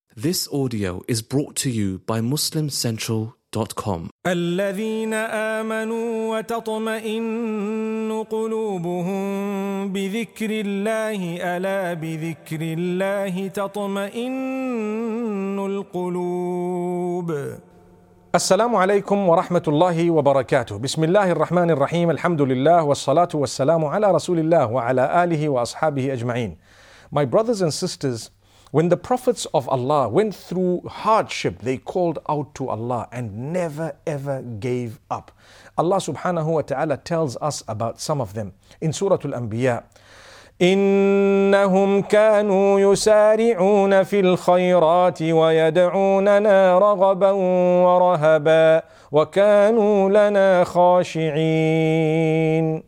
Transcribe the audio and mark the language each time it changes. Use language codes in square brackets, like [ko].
[en] This audio is brought to you by MuslimCentral.com. [ar] الذين آمنوا وتطمئن قلوبهم بذكر الله ألا بذكر الله تطمئن القلوب. السلام عليكم ورحمة الله وبركاته. بسم الله الرحمن الرحيم. الحمد لله والصلاة والسلام على رسول الله وعلى آله وأصحابه أجمعين. [en] My brothers and sisters, when the prophets of Allah went through hardship, they called out to Allah and never ever gave up. Allah subhanahu wa ta'ala tells us about some of them in Surah Al-Anbiya. [ar] إِنَّهُمْ كَانُوا يُسَارِعُونَ فِي الْخَيْرَاتِ وَيَدْعُونَنَا رَغَبًا وَرَهَبًا وَكَانُوا لَنَا خَاشِعِينَ.